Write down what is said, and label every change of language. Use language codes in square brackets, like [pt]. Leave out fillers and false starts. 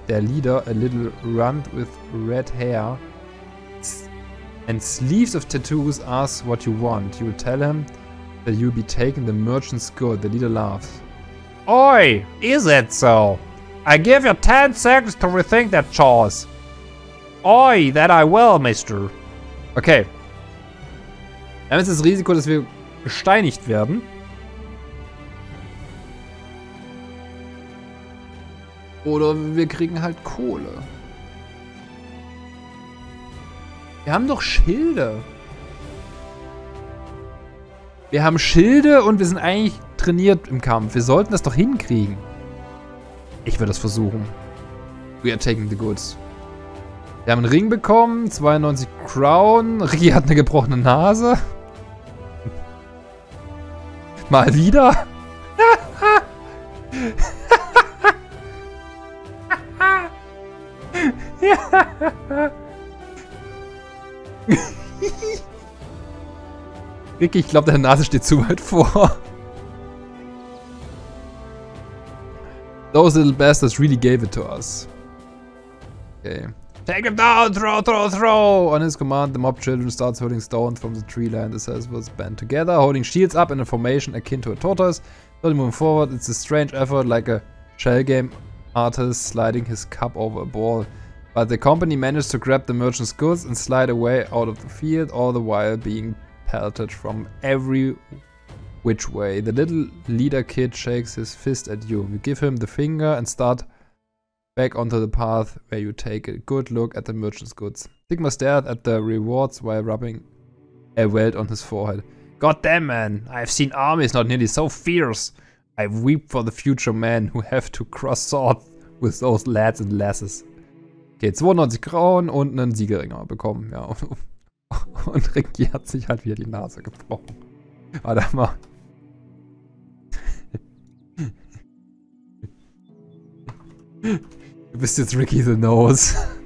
[en] Their leader, a little runt with red hair and sleeves of tattoos, asks what you want. You tell him that you'll be taking the merchant's good. The leader laughs. Oi, is that so? I give you 10 seconds to rethink that choice. Oi, that I will, mister. Okay. [de] Wir haben jetzt das Risiko, dass wir gesteinigt werden. Oder wir kriegen halt Kohle. Wir haben doch Schilde. Wir haben Schilde und wir sind eigentlich trainiert im Kampf. Wir sollten das doch hinkriegen. Ich würde das versuchen. [en] We are taking the goods. [de] Wir haben einen Ring bekommen. 92 Crown. Ricky hat eine gebrochene Nase. Mal wieder. Ricky, ich glaube, deine Nase steht zu weit vor. [en] Those little bastards really gave it to us. Okay. Take him down! Throw, throw, throw! On his command, the mob children starts hurling stones from the tree line. The cells was band together, holding shields up in a formation akin to a tortoise. Slowly moving forward, it's a strange effort, like a shell game artist sliding his cup over a ball. But the company managed to grab the merchant's goods and slide away out of the field, all the while being pelted from every which way. The little leader kid shakes his fist at you. You give him the finger and start back onto the path where you take a good look at the merchant's goods. Sigma stared at the rewards while rubbing a welt on his forehead. God damn, man! I've seen armies not nearly so fierce. I weep for the future men who have to cross swords with those lads and lasses. [de] Okay, 92 Grauen und einen Siegerring haben wir bekommen. Ja. Und Ricky hat sich halt wieder die Nase gebrochen. Warte mal. Du bist jetzt Ricky the Nose.